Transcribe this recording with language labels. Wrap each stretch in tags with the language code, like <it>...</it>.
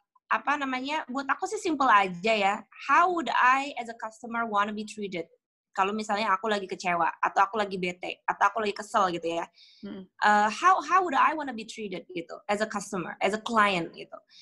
<id>Apa namanya, buat aku sih simple aja ya.</id> <en>How would I as a customer wanna be treated?</en> <id>Kalau misalnya aku lagi kecewa, atau aku lagi bete, atau aku lagi kesel gitu ya.</id> <en>How would I wanna be treated</en> <id>gitu,</id> <en>as a customer, as a client gitu.</en>